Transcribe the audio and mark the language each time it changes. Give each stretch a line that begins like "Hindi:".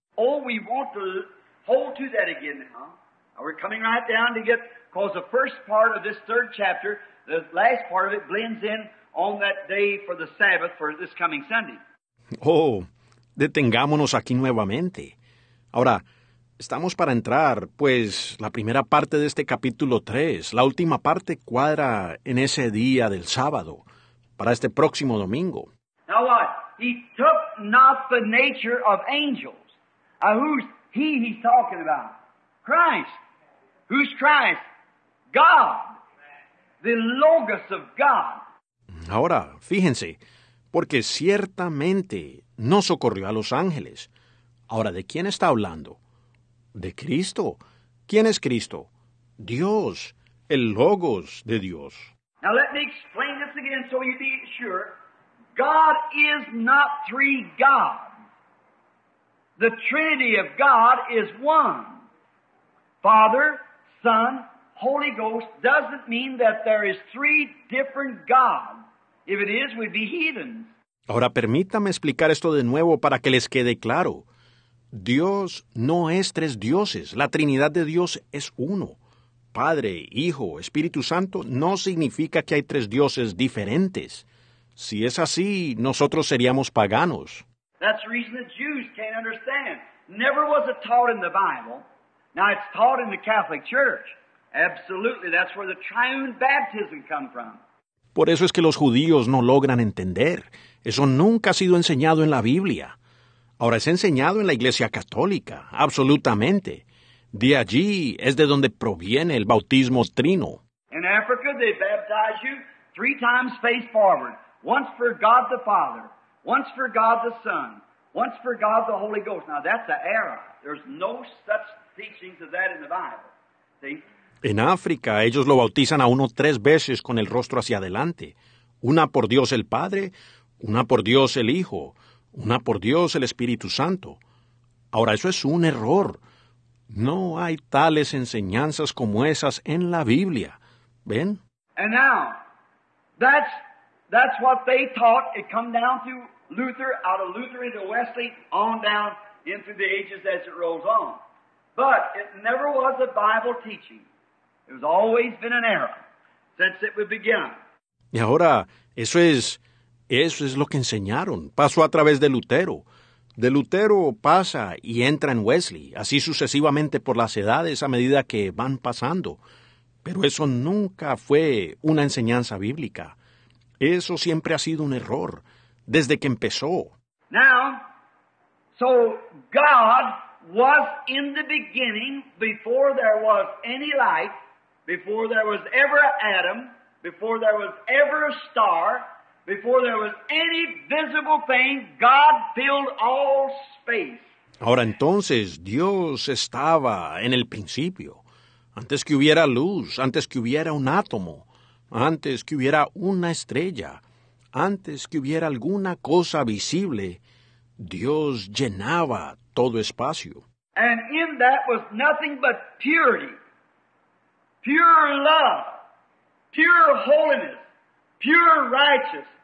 English: Oh, we want to hold to that again now. We're coming right down to get, because the first part of this third chapter, the last part of it blends in on that day for the Sabbath for this coming Sunday.
Spanish: Oh, detengámonos aquí nuevamente. Ahora, estamos para entrar, pues, la primera parte de este capítulo 3, la última parte cuadra en ese día del sábado, para este próximo domingo.
English: Now what? He took not the nature of angels. Who's he he's talking about? Christ. Who's Christ? God. The Logos of God.
Spanish: Ahora, fíjense, porque ciertamente no socorrió a los ángeles. Ahora, ¿de quién está hablando? ¿De Cristo? ¿Quién es Cristo? Dios, el Logos de Dios.
English: Now let me explain this again so you be sure. God is not three gods. The Trinity of God is one. Father, Son, Holy Ghost doesn't mean that there is three different gods. If it is, we'd be heathens.
Spanish: Ahora permítame explicar esto de nuevo para que les quede claro. Dios no es tres dioses. La Trinidad de Dios es uno. Padre, Hijo, Espíritu Santo no significa que hay tres dioses diferentes. Si es así, nosotros seríamos paganos.
English: That's the reason the Jews can't understand. Never was it taught in the Bible. Now it's taught in the Catholic Church. Absolutely, that's where the triune baptism comes from.
Spanish: Por eso es que los judíos no logran entender. Eso nunca ha sido enseñado en la Biblia. Ahora, es enseñado en la Iglesia Católica, absolutamente. De allí es de donde proviene el bautismo trino.
English: In Africa, they baptize you three times face forward. Once for God the Father, once for God the Son, once for God the Holy Ghost. Now, that's an error. There's no such teachings of that in the Bible. See?
Spanish: En África, ellos lo bautizan a uno tres veces con el rostro hacia adelante. Una por Dios el Padre, una por Dios el Hijo, una por Dios el Espíritu Santo. Ahora, eso es un error. No hay tales enseñanzas como esas en la Biblia. ¿Ven?
English: And now, that's what they taught. It come down through Luther, out of Luther into Wesley, on down into the ages as it rolls on. But it never was a Bible teaching. It has always been an error since it would begin.
Spanish: Y ahora, eso es lo que enseñaron. Pasó a través de Lutero. De Lutero pasa y entra en Wesley, así sucesivamente por las edades a medida que van pasando. Pero eso nunca fue una enseñanza bíblica. Eso siempre ha sido un error, desde que empezó.
English: Now, so God was in the beginning, before there was any light, before there was ever Adam, before there was ever a star, before there was any visible thing, God filled all space.
Spanish: Ahora entonces, Dios estaba en el principio. Antes que hubiera luz, antes que hubiera un átomo, antes que hubiera una estrella, antes que hubiera alguna cosa visible, Dios llenaba todo espacio.
English: And in that was nothing but purity, pure love, pure holiness, pure righteousness.